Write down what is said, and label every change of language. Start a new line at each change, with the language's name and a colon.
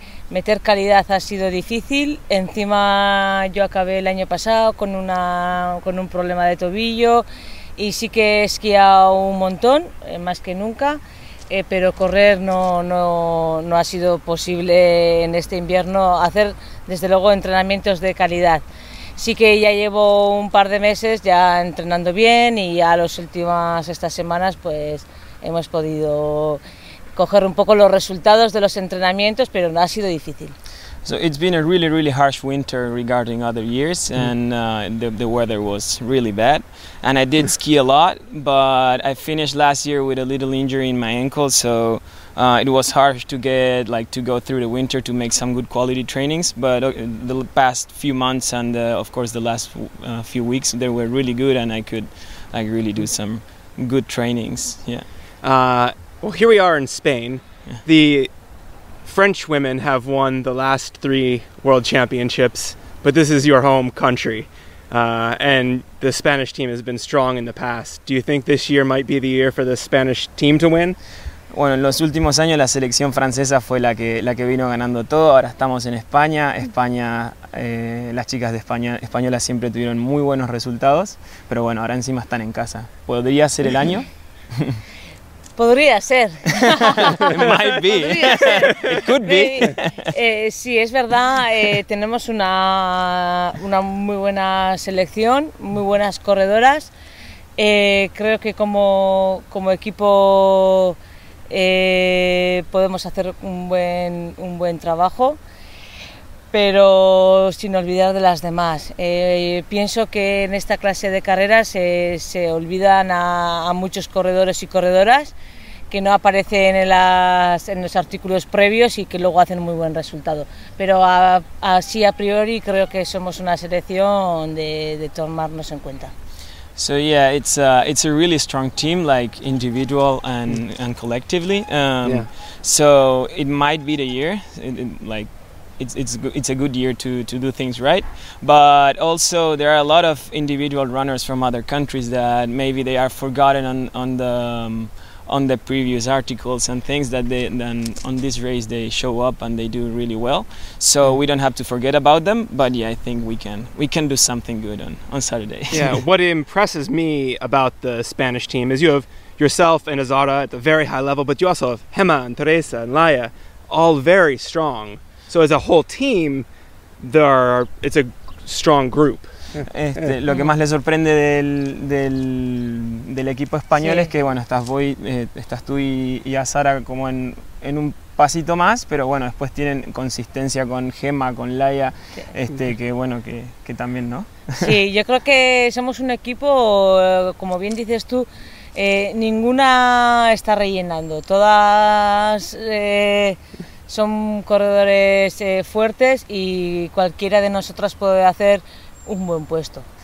Spanish: Meter calidad ha sido difícil. Encima yo acabé el año pasado con un problema de tobillo y sí que he esquiado un montón, más que nunca, pero correr no ha sido posible en este invierno hacer, desde luego, entrenamientos de calidad. Sí que ya llevo un par de meses ya entrenando bien y ya estas semanas pues hemos podido coger un poco los resultados de los entrenamientos, pero no ha sido difícil.
English: So it's been a really, really harsh winter regarding other years, and the weather was really bad. And I did ski a lot, but I finished last year with a little injury in my ankle, so it was harsh to get, like, to go through the winter to make some good quality trainings. But the past few months and, of course, the last few weeks, they were really good, and I could, like, really do some good trainings, yeah. Well, here we are in Spain. Yeah. The French women have won the last 3 world championships, but this is your home country. And the Spanish team has been strong in the past. Do you think this year might be the year for the Spanish team to win?
Spanish: Bueno, en los últimos años la selección francesa fue la que vino ganando todo. Ahora estamos en España. España, las chicas de España siempre tuvieron muy buenos resultados, pero bueno, ahora encima están en casa. ¿Podría ser el año? Podría ser.
English: Might be.
Spanish: Podría ser.
English: It could be.
Spanish: Sí, es verdad. Tenemos una muy buena selección, muy buenas corredoras. Creo que como equipo podemos hacer un buen trabajo, pero sin olvidar de las demás. Pienso que en esta clase de carreras se olvidan a muchos corredores y corredoras que no aparecen en los artículos previos y que luego hacen muy buen resultado. Pero así a priori creo que somos una selección de tomarnos en cuenta.
English: So yeah, it's a really strong team, like individual and collectively. So it might be the year, it's a good year to do things right. But also there are a lot of individual runners from other countries that maybe they are forgotten on the previous articles and things that they then on this race they show up and they do really well. So we don't have to forget about them. But yeah, I think we can do something good on Saturday. Yeah, what impresses me about the Spanish team is you have yourself and Azara at a very high level, but you also have Hema and Teresa and Laia, all very strong. So as a whole team, it's a strong group.
Spanish: Lo que más le sorprende del equipo español sí. Es que bueno, estás tú y a Sara como en un pasito más, pero bueno, después tienen consistencia con Gemma, con Laia, que bueno, que también, ¿no? Sí, yo creo que somos un equipo, como bien dices tú, ninguna está rellenando, todas son corredores fuertes y cualquiera de nosotras puede hacer un buen puesto.